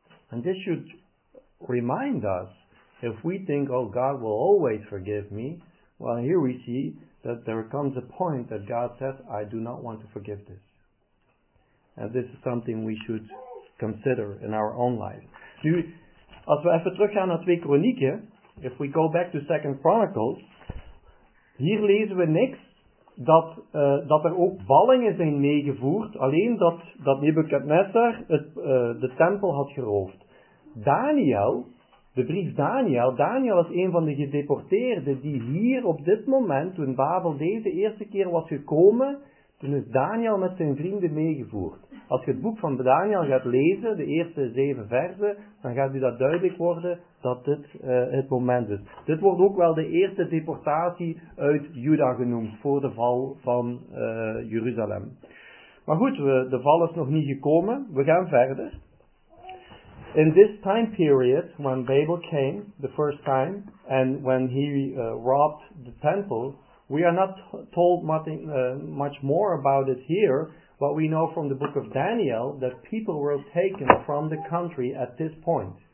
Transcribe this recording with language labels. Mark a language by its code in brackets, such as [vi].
[en] And this should remind us, if we think, oh, God will always forgive me, well, here we see that there comes a point that God says, I do not want to forgive this. And this is something we should consider in our own life. [nl] Nu, als we even teruggaan naar 2 Kronieken, [en] if we go back to 2 Chronicles, [nl] hier lezen we niks dat er ook ballingen zijn meegevoerd, alleen dat Nebukadnezar de tempel had geroofd. Daniel, de brief Daniel is een van de gedeporteerden die hier op dit moment, toen Babel deze eerste keer was gekomen, toen is Daniel met zijn vrienden meegevoerd. Als je het boek van Daniel gaat lezen, de eerste 7 versen, dan gaat u dat duidelijk worden dat dit het moment is. Dit wordt ook wel de eerste deportatie uit Juda genoemd, voor de val van Jeruzalem. Maar goed, de val is nog niet gekomen, we gaan verder. [en] In this time period, when Babel came the first time, and when he robbed the temple, we are not told much more about it here, but we know from the book of Daniel that people were taken from the country at this point.